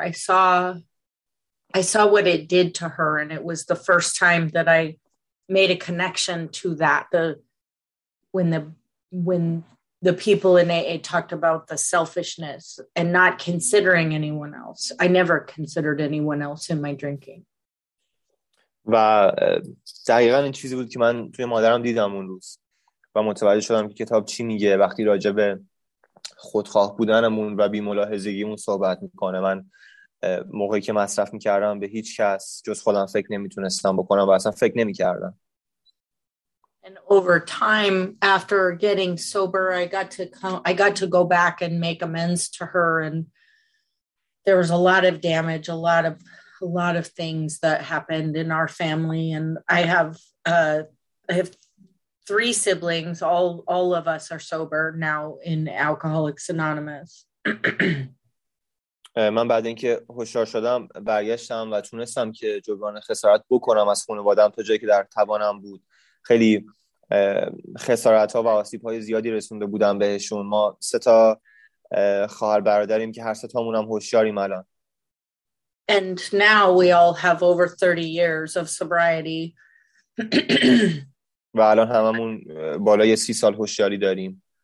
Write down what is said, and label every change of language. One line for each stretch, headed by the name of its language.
English: I saw what it did to her, and it was the first time that I made a connection to that. The people in AA talked about the selfishness and not considering anyone else. I never considered anyone else in my drinking.
Persian: و دقیقاً این چیزی بود که من توی مادرم دیدم اون روز و متوجه شدم که کتاب چی میگه وقتی راجع به خودخواه بودنمون و بی‌ملاحظگیمون صحبت میکنه. من موقعی که مصرف میکردم به هیچ کس جز خودم فکر نمیتونستم بکنم و اصلا فکر نمیکردم.
English: And over time, after getting sober, I got to go back and make amends to her. And there was a lot of damage, a lot of things that happened in our family. And I have three siblings. All of us are sober now in Alcoholics Anonymous.
Persian: من بعد اینکه هوشیار شدم برگشتم و تونستم که جبران خسارت بکنم از خانواده‌ام تا جایی که در توانم بود. خیلی خسارت ها و آسیب های زیادی رسونده بودم بهشون. ما سه تا خواهر برادریم که هر سه تامون هم هوشیاریم الان.
English: And now we all have over 30 years of sobriety.
Persian: و الان هممون بالای 30 سال هوشیاری داریم.